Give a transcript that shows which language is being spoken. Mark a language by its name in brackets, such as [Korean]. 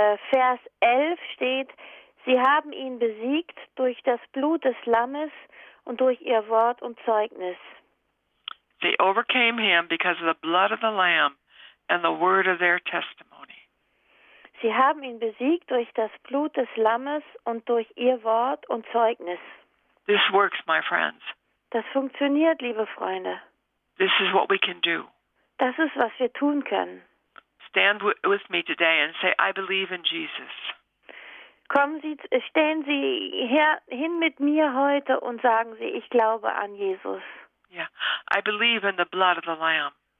[German] Vers 11 steht: Sie haben ihn besiegt durch das Blut des Lammes und durch ihr Wort und Zeugnis. [English] They overcame him because of the blood of the Lamb and the word of their testimony. [German] Sie haben ihn besiegt durch das Blut des Lammes und durch ihr Wort und Zeugnis. [English] This works, my friends. [German] Das funktioniert, liebe Freunde. [English] This is what we can do. [German] Das ist, was wir tun können. [English] Stand with me today and say, I believe in Jesus. [German] Stehen Sie hin mit mir heute und sagen Sie, ich glaube an Jesus. [English] Yeah, I believe in the blood of the Lamb.